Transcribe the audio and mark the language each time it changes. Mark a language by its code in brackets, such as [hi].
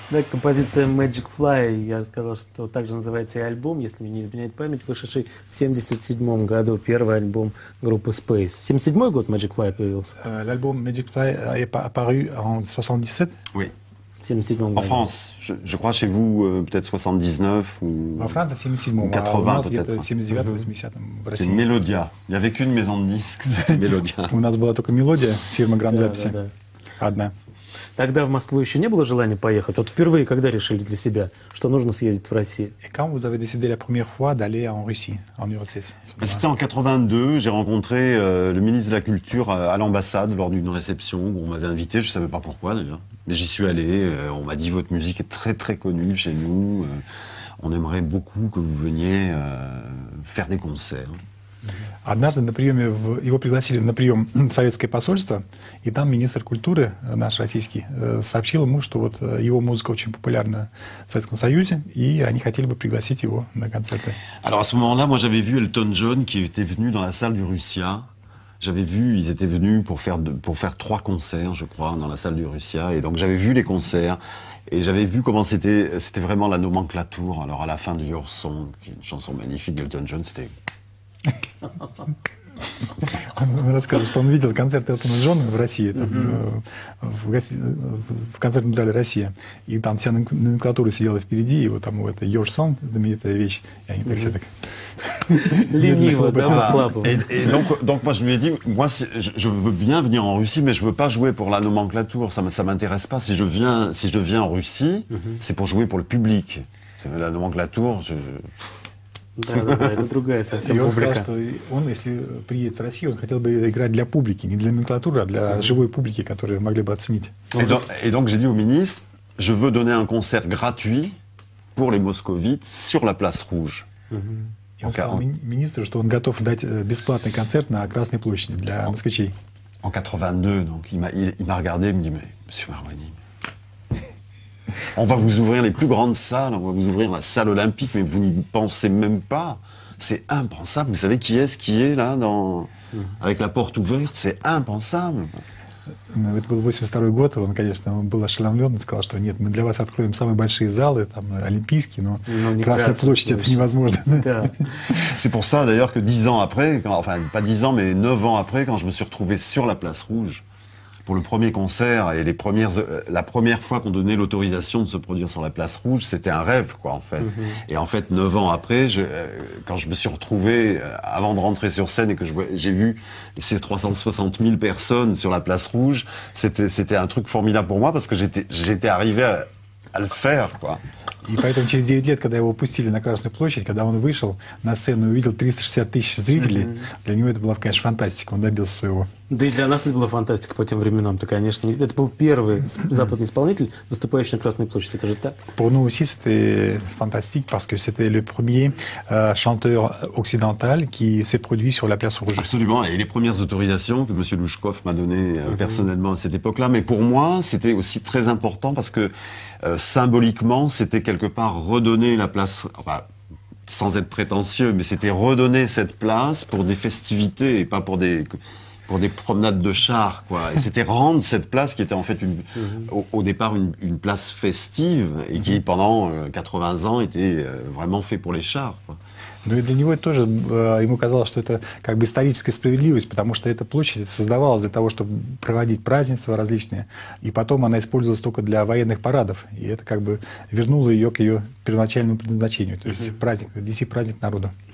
[ru] Композиция Magic Fly, я же сказал, что также называется и альбом, если мне не изменяет память, вышедший в 77-м году, первый альбом группы Space. 77-й год Magic Fly появился? [fr] Альбом Magic Fly est apparu en 77? Oui. [ru] 77-м году. [fr] France, je crois chez vous, peut-être 79 ou... [ru] Во Франции, в 77-м, 80, а у нас где-то 79-80-м в России. [fr] C'est Melodia. Il n'y avait qu'une maison de disque. Melodia. [ru] У нас была только Мелодия, фирма Грандзаписи. Да, да, да. Одна. Тогда в Москву еще не было желания поехать? Вот впервые, когда решили для себя, что нужно съездить в Россию? [fr] Et quand vous avez décidé la première fois d'aller en Russie, en URSS? C'était en 82, j'ai rencontré le ministre de la Culture à l'ambassade lors d'une réception où on m'avait invité, je ne savais pas pourquoi d'ailleurs. Mais j'y suis allé, on m'a dit « Votre musique est très très connue chez nous, on aimerait beaucoup que vous veniez faire des concerts. » [ru] Однажды на приеме его пригласили на прием в советское посольство, и там министр культуры наш российский сообщил ему, что вот его музыка очень популярна в Советском Союзе, и они хотели бы пригласить его на концерты. [fr] Alors à ce moment-là, moi j'avais vu Elton John qui était venu dans la salle du Russia. J'avais vu, ils étaient venus pour faire trois concerts, je crois, dans la salle du Russia. Et donc j'avais vu les concerts et j'avais vu comment c'était, c'était vraiment la nomenclature. Alors à la fin de Your Song, qui est une chanson magnifique d'Elton John, c'était [ru] Он рассказывал, что он видел концерт Элтона Джона в России, там, в концертном зале «Россия». И там вся номенклатура сидела впереди, и вот там вот это «Your Song» — знаменитая вещь. И они так все так... Лениво, да, выхлапывали. [fr] Donc, moi, je lui ai dit, moi, je veux bien venir en Russie, mais je veux pas jouer pour la nomenclature, ça, ça m'intéresse pas. Si je viens, si je viens en Russie, c'est pour jouer pour le public. La nomenclature, je... [ru] Да-да-да, это другая совсем публика. И он публика. Сказал, что он, если приедет в Россию, он хотел бы играть для публики, не для номенклатуры, а для живой публики, которую могли бы оценить. [fr] И donc j'ai dit au ministre, je veux donner un concert gratuit pour les moscovites sur la place rouge. [ru] И он сказал министру, что он готов дать бесплатный концерт на Красной площади для москвичей. [fr] En 82, donc il m'a regardé, il me dit, mais monsieur Marouani, on va vous ouvrir les plus grandes salles, on va vous ouvrir la salle olympique, mais vous n'y pensez même pas. C'est impensable. Vous savez qui est-ce qui est là, dans... avec la porte ouverte? C'est impensable. [ru] Это был 82 год, он, конечно, он был ошеломлен, он сказал, что нет, мы для вас откроем самые большие залы, там, олимпийские, но Красная площадь, это невозможно. Да. [fr] C'est pour ça, d'ailleurs, que 10 ans après, quand, enfin, pas 10 ans, mais 9 ans après, quand je me suis retrouvé sur la Place Rouge, pour le premier concert et les premières, la première fois qu'on donnait l'autorisation de se produire sur la Place Rouge, c'était un rêve, quoi, en fait. Mm-hmm. Et en fait, neuf ans après, quand je me suis retrouvé, avant de rentrer sur scène, et que j'ai vu ces 360 000 personnes sur la Place Rouge, c'était un truc formidable pour moi, parce que j'étais arrivé à le faire, quoi. [ru] И поэтому через 9 лет, когда его пустили на Красную площадь, когда он вышел на сцену и увидел 360 тысяч зрителей, для него это была, конечно, фантастика, он добился своего. Да и для нас это была фантастика по тем временам, то, конечно. Это был первый западный исполнитель, выступающий на Красной площади, это же так? [fr] Pour nous aussi, c'était fantastique, parce que c'était le premier chanteur occidental qui s'est produit sur la Place Rouge. Absolument, et les premières autorisations que M. Loujkov m'a données personnellement à cette époque-là, mais pour moi, c'était aussi très important, parce que symboliquement, c'était quelque part redonner la place, enfin, sans être prétentieux, mais c'était redonner cette place pour des festivités et pas pour des promenades de chars, quoi. Et c'était rendre cette place qui était en fait une, au départ une place festive et qui pendant 80 ans était vraiment fait pour les chars, quoi. [ru] Ну и для него тоже, ему казалось, что это как бы историческая справедливость, потому что эта площадь создавалась для того, чтобы проводить празднества различные, и потом она использовалась только для военных парадов, и это как бы вернуло ее к ее первоначальному предназначению, то есть праздник, действительно праздник народа.